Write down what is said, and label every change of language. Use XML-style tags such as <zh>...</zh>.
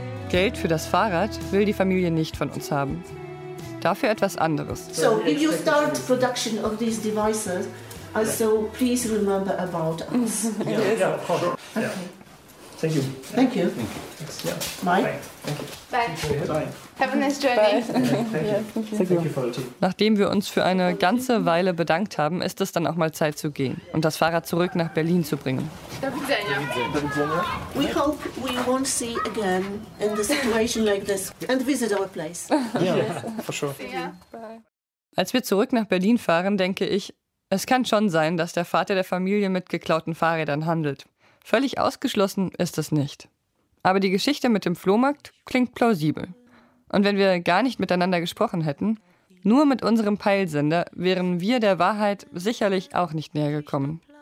<de>Geld für das Fahrrad will die Familie nicht von uns haben. Dafür etwas anderes.</de> <en>So, if you start production of these devices, also please remember about us. Yeah, yeah, of course. Okay. Thank you. Thank you. Thank you. Bye. Thank you. Bye. Bye. Have a nice journey. Thank you. Thank you for the tea.</en> <de>Nachdem wir uns für eine ganze Weile bedankt haben, ist es dann auch mal Zeit zu gehen und das Fahrrad zurück nach Berlin zu bringen.</de> <en>We hope we won't see again in the situation like this and visit our place. Yeah, for sure.</en> <de>Als wir zurück nach Berlin fahren, denke ich, es kann schon sein, dass der Vater der Familie mit geklauten Fahrrädern handelt. Völlig ausgeschlossen ist es nicht. Aber die Geschichte mit dem Flohmarkt klingt plausibel. Und wenn wir gar nicht miteinander gesprochen hätten, nur mit unserem Peilsender, wären wir der Wahrheit sicherlich auch nicht näher gekommen.</de>